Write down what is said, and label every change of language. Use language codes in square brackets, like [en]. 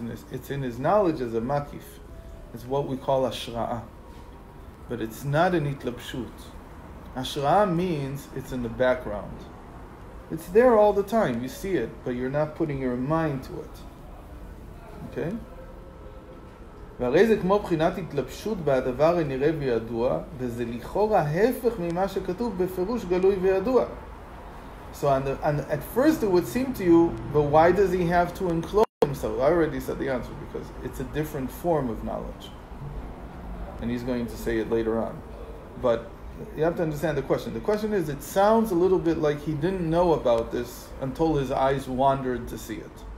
[en] It's in His knowledge as a makif. It's what we call ashra'a. But it's not an itlapshut. Ashra'a means it's in the background. It's there all the time. You see it, but you're not putting your mind to it. Okay? [he] והרי זה כמו בחינת התלבשות בהדבר הנראה וידוע, וזה לכאורה הפך ממה שכתוב בפירוש גלוי וידוע. [en] So and at first it would seem to you, but why does he have to enclose himself? I already said the answer, because it's a different form of knowledge. And he's going to say it later on. But you have to understand the question. The question is, it sounds a little bit like he didn't know about this until his eyes wandered to see it.